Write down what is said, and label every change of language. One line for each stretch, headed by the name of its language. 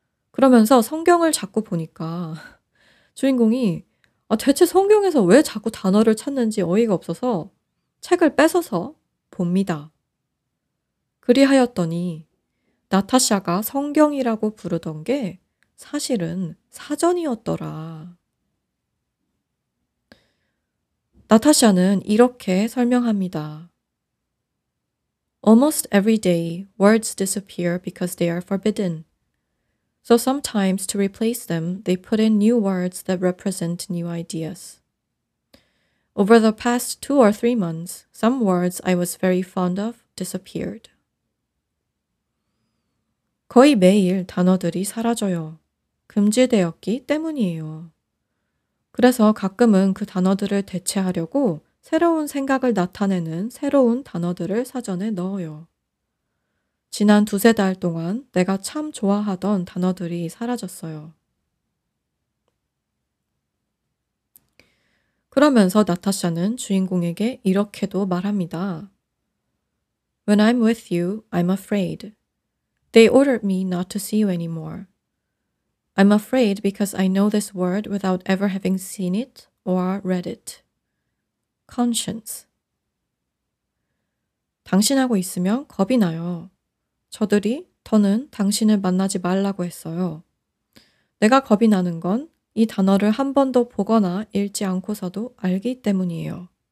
Korean: 그러면서 성경을 자꾸 보니까 주인공이 대체 성경에서 왜 자꾸 단어를 찾는지 어이가 없어서 책을 뺏어서 봅니다. 그리하였더니 나타샤가 성경이라고 부르던 게 사실은 사전이었더라. 나타샤는 이렇게 설명합니다.
English: Almost every day, words disappear because they are forbidden. So sometimes to replace them, they put in new words that represent new ideas. Over the past 2 or 3 months, some words I was very fond of disappeared.
Korean: 거의 매일 단어들이 사라져요. 금지되었기 때문이에요. 그래서 가끔은 그 단어들을 대체하려고 새로운 생각을 나타내는 새로운 단어들을 사전에 넣어요. 지난 두세 달 동안 내가 참 좋아하던 단어들이 사라졌어요. 그러면서 나타샤는 주인공에게 이렇게도 말합니다.
English: When I'm with you, I'm afraid. They ordered me not to see you anymore. I'm afraid because I know this word without ever having seen it or read it. Conscience.
Korean: 당신하고 있으면 겁이 나요. 저들이 더는 당신을 만나지 말라고 했어요. 내가 겁이 나는 건 이 단어를 한 번도 보거나 읽지 않고서도 알기 때문이에요.